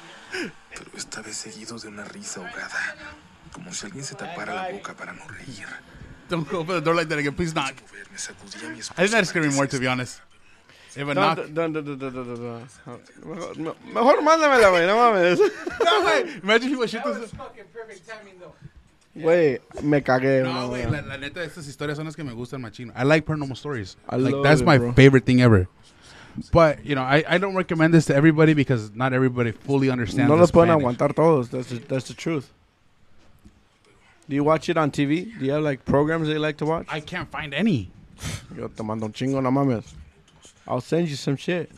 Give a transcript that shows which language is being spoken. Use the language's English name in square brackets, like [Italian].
[Spanish] Pero esta vez seguido de una risa ahogada, como si alguien se tapara la boca para no reír. [English] Don't go open the door like that again, please knock. I think that's scary more, to be honest. If a don't, knock. [Spanish] Mejor mándame la wey, no mames. No wey, [English] imagine people shit. That was fucking perfect timing though. [Spanish] Güey, me cagué. No, güey, la neta de estas historias son las que me gustan, machino. [English] I like paranormal stories. That's my favorite thing ever. But, you know, I don't recommend this to everybody because not everybody fully understands. [Spanish] No los pueden aguantar todos. [English] That's the truth. Do you watch it on TV? Do you have, like, programs that you like to watch? I can't find any. [Spanish] Yo te mando un chingo, no mames. [English] I'll send you some shit.